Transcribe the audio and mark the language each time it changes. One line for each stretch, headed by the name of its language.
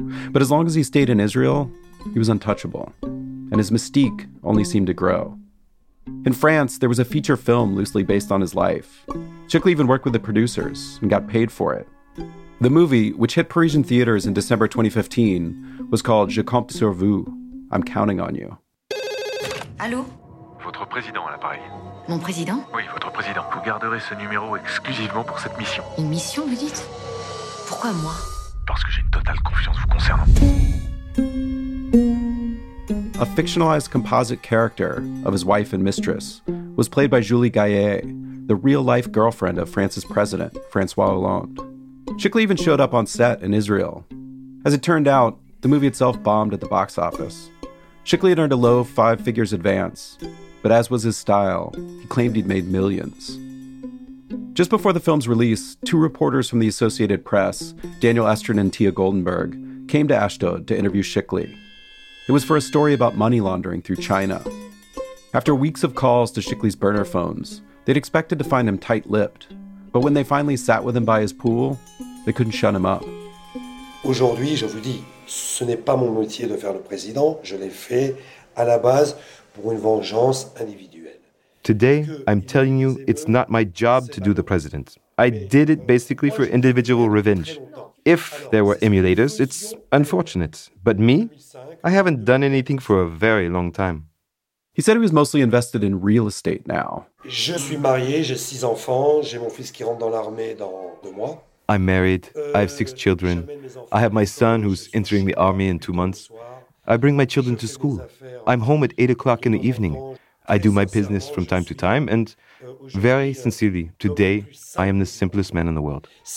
English: But as long as he stayed in Israel, he was untouchable, and his mystique only seemed to grow. In France, there was a feature film loosely based on his life. Chikli even worked with the producers and got paid for it. The movie, which hit Parisian theaters in December 2015, was called Je Compte Sur Vous, I'm Counting On You.
French: Allô? Votre président à l'appareil. Mon président? Oui, votre président. Vous garderez ce numéro exclusivement pour cette mission. Une mission, vous dites? Pourquoi moi? Parce que j'ai une totale confiance vous concernant.
English: A fictionalized composite character of his wife and mistress was played by Julie Gayet, the real-life girlfriend of France's president, François Hollande. Chikli even showed up on set in Israel. As it turned out, the movie itself bombed at the box office. Chikli had earned a low five figures advance, but as was his style, he claimed he'd made millions. Just before the film's release, two reporters from the Associated Press, Daniel Estrin and Tia Goldenberg, came to Ashdod to interview Chikli. It was for a story about money laundering through China. After weeks of calls to Shikley's burner phones, they'd expected to find him tight-lipped. But when they finally sat with him by his pool, they couldn't shut him up.
French: Aujourd'hui, je vous dis, ce n'est pas mon métier de faire le président. Je l'ai fait à la base pour une vengeance individuelle.
English: Today, I'm telling you, it's not my job to do the president. I did it basically for individual revenge. If there were emulators, it's unfortunate. But me? I haven't done anything for a very long time. He said he was mostly invested in real estate now.
French: Je suis marié, j'ai six enfants, j'ai mon fils qui rentre dans l'armée dans deux mois.
English: I'm married, I have six children. I have my son who's entering the army in 2 months. I bring my children to school. I'm home at 8 o'clock in the evening. I do my business from time to time, and very sincerely, today, I am the simplest man in the world.